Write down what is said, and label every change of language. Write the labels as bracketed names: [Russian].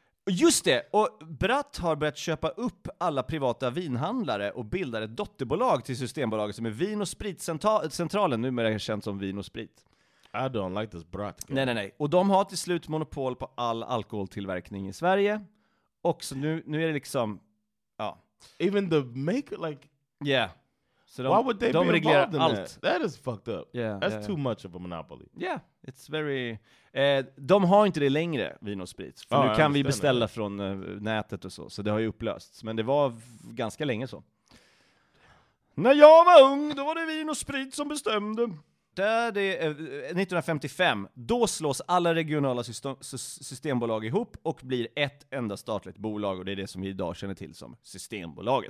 [Swedish] Just det, och Bratt har börjat köpa upp alla privata vinhandlare och bildar ett dotterbolag till Systembolaget som är Vin- och Spritcentralen, numera känt som Vin- och Sprit. [English] I don't like this Bratt [Swedish] guy. Nej. Och de har till slut monopol på all alkoholtillverkning i Sverige. Och så nu är det liksom, ja. [English] Even the maker, like... Yeah. So why would they be involved in allt. That? That is fucked up. Yeah, that's too much of a monopoly. Yeah, it's very... [Swedish] De har inte det längre, Vin och Sprit. För nu kan vi beställa it. Från nätet och så. Så det har ju upplösts. Men det var ganska länge så. När jag var ung, då var det Vin och Sprit som bestämde. Där det 1955, då slås alla regionala systembolag ihop och blir ett enda statligt bolag. Och det är det som vi idag känner till som Systembolaget.